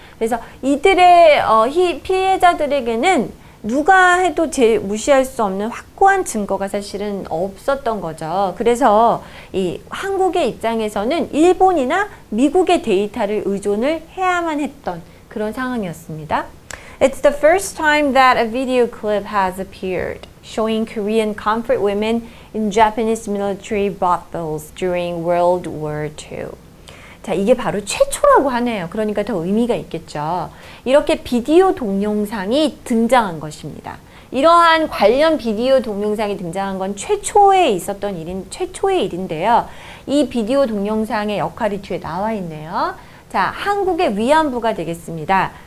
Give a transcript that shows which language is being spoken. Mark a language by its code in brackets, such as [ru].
[ko] 그래서 이들의 피해자들에게는 누가 해도 제일 무시할 수 없는 확고한 증거가 사실은 없었던 거죠. 그래서 이 한국의 입장에서는 일본이나 미국의 데이터를 의존을 해야만 했던 그런 상황이었습니다. [en] It's the first time that a video clip has appeared showing Korean comfort women in Japanese military brothels during World War II. [ko] 자, 이게 바로 최초라고 하네요. 그러니까 더 의미가 있겠죠. 이렇게 비디오 동영상이 등장한 것입니다. 이러한 관련 비디오 동영상이 등장한 건 최초에 있었던 일인, 최초의 일인데요. 이 비디오 동영상의 역할이 뒤에 나와 있네요. 자, 한국의 위안부가 되겠습니다.